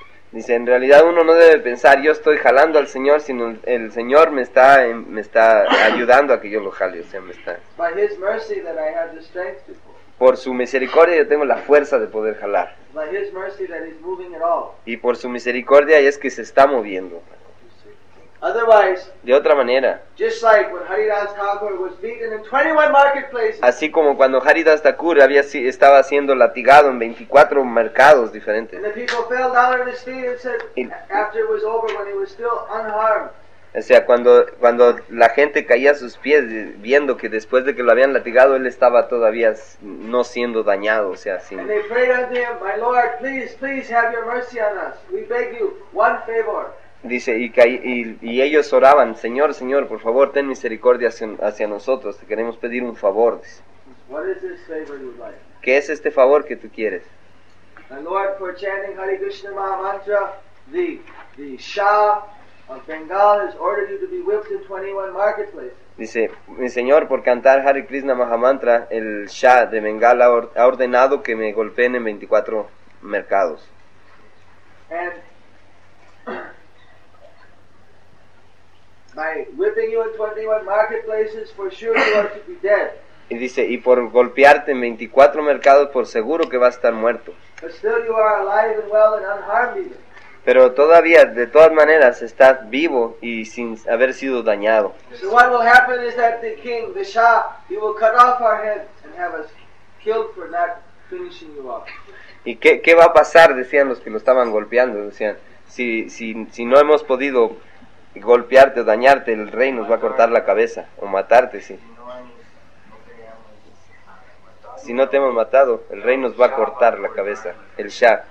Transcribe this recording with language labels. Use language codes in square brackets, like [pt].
[es] Dice, en realidad uno no debe pensar yo estoy jalando al Señor, sino el Señor me está ayudando a que yo lo jale, o sea, me está. [en] By His mercy that I have the strength to pull. [es] Por su misericordia yo tengo la fuerza de poder jalar. [en] By His mercy that He's moving at all. [es] Y por su misericordia es que se está moviendo. [en] Otherwise, [es] de otra manera, [en] just like when Haridas Thakur was beaten in 21 marketplaces. [es] Así como cuando Haridas Thakur estaba siendo latigado en 24 mercados diferentes. [en] And the people fell down at His feet and said, after it was over, when He was still unharmed. [es] O sea, cuando la gente caía a sus pies viendo que después de que lo habían latigado él estaba todavía no siendo dañado, o sea, así. [en] And they prayed unto Him, my Lord, please, please have your mercy on us. We beg you one favor. [es] Dice, y ellos oraban, Señor, Señor, por favor, ten misericordia hacia nosotros, te queremos pedir un favor, dice. [en] What is this favor you'd like? [es] ¿Qué es este favor que tú quieres? [en] My Lord, for chanting Hare Krishna Mahamantra, the Shah of Bengal has ordered you to be whipped in 21 marketplaces. [es] Dice, mi señor, por cantar Hare Krishna Mahamantra, el Shah de Bengal ha ordenado que me golpeen en 24 mercados. [en] And by whipping you in 21 marketplaces, for sure you are to be dead. [es] Y dice, y por golpearte en 24 mercados, por seguro que va a estar muerto. [en] But still you are alive and well and unharmed even. [es] Pero todavía, de todas maneras, estás vivo y sin haber sido dañado. [en] So what will happen is that the king, the Shah, he will cut off our heads and have us killed for not finishing you off. [es] ¿Y qué va a pasar? Decían los que lo estaban golpeando. Decían, si no hemos podido golpearte o dañarte, el rey nos va a cortar la cabeza o matarte, sí. Si no te hemos matado, el rey nos va a cortar la cabeza, el Shah.